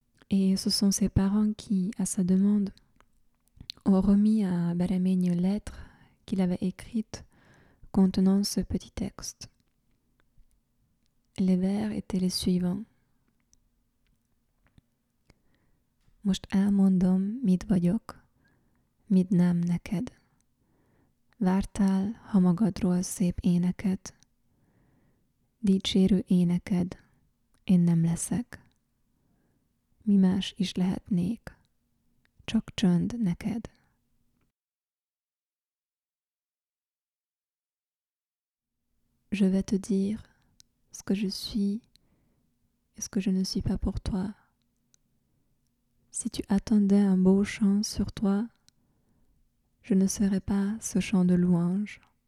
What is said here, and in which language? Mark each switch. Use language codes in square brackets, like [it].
[fr] Et ce sont ses parents qui, à sa demande, ont remis à Bereményi une lettre qu'il avait écrite contenant ce petit texte. Les vers étaient les suivants. [hu] Most elmondom, mit vagyok, mit nem neked. Vártál, ha magadról szép éneket, dicsérő éneked, én nem leszek. Mi más is lehetnék, csak csönd neked. [fr] Je vais te dire ce que je suis et ce que je ne suis pas pour toi. Si tu attendais un beau chant sur toi, je ne serais pas ce chant de louange.